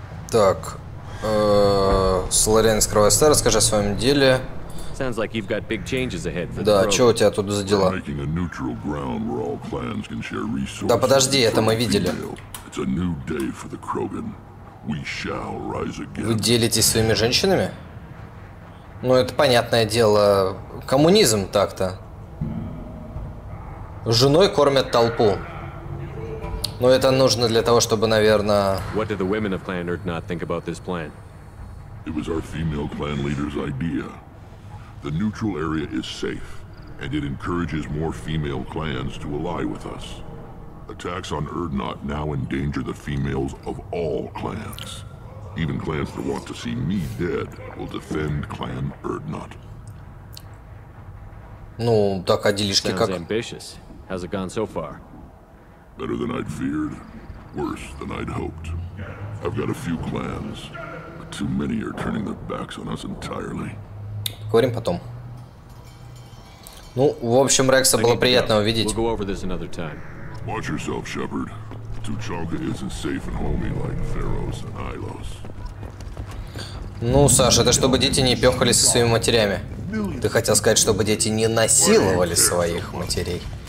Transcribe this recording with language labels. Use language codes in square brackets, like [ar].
[ru] Так, Соларен из Кровавой Стали, расскажи о своем деле. [en] Sounds like you've got big changes ahead for the [ru] Да, что у тебя тут за дела? [en] Making a neutral ground where all clans can share resources. [ru] Да подожди, это мы видели. [en] It's a new day for the Krogan. We shall rise again. [ru] Вы делитесь своими женщинами? Ну это понятное дело, коммунизм так-то. Женой кормят толпу. Но это нужно для того, чтобы, наверное. [en] What did the women of Clan Erdnot think about this plan? It was our female clan leader's idea. The neutral area is safe, and it encourages more female clans to ally with us. Attacks on Erdnot now endanger the females of all clans. Even clans that want to see me dead will defend Clan Erdnot. [ru] Ну, так а делишки как? [en] Sounds ambitious. How's it gone so far? Better than I'd feared. Worse than I'd hoped. I've got a few clans, but too many are turning their backs on us entirely. [ru] Поговорим потом. Ну, в общем, Рекса было приятно увидеть. [en] We'll go over this another time. Watch yourself, Shepard. Tuchanka isn't safe and homey like Pharos and Ilos. [ru] Ну, Саша, это чтобы дети не пёхали со своими матерями. Ты хотел сказать, чтобы дети не насиловали своих матерей.